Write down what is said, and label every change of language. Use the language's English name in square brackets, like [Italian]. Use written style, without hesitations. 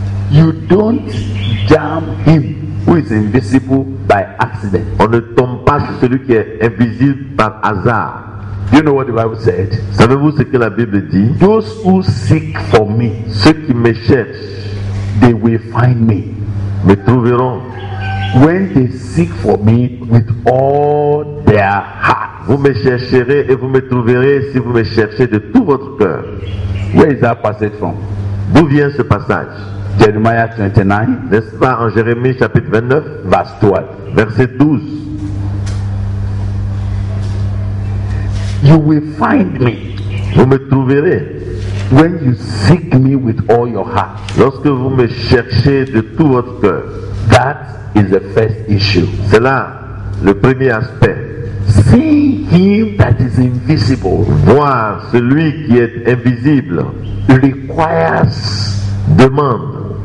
[English] You don't jam him who is invisible by accident. [French] On ne tombe pas sur celui qui est invisible par hasard. [English] You know what the Bible said? [French] Savez-vous ce que la Bible dit? [English] Those who seek for me, [French] ceux qui me cherchent, [English] they will find me. [French] Me trouveront. [English] When they seek for me with all their heart. [French] Vous me chercherez et vous me trouverez si vous me cherchez de tout votre cœur. [English] Where is that passage from? [French] D'où vient ce passage? [English] Jeremiah 29. [French] N'est-ce pas en Jérémie chapitre 29? [English] Verse 12. [French] Verset 12. [English] You will find me. [French] Vous me trouverez. [English] When you seek me with all your heart. [French] Lorsque vous me cherchez de tout votre cœur. [English] That is the first issue. [French] C'est là le premier aspect. [English] See him that is invisible. [French] Voir celui qui est invisible. [English] Requires [French] demande